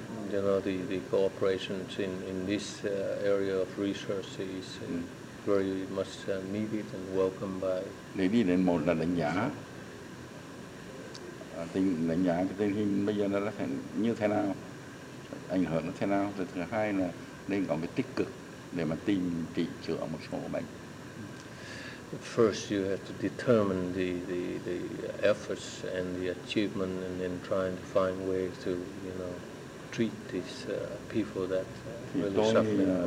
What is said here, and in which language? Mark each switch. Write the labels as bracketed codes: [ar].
[en] The cooperation in this area of research is very much needed and welcomed by. [vi] Để đi đến một là đánh giá, đánh giá cái tình hình bây giờ nó là như thế nào, ảnh hưởng nó thế nào. Thứ hai là nên có cái tích cực để mà tìm trị chữa một số bệnh. [en] First, you have to determine the efforts and the achievement, and then trying to find ways to treat these people that really suffer.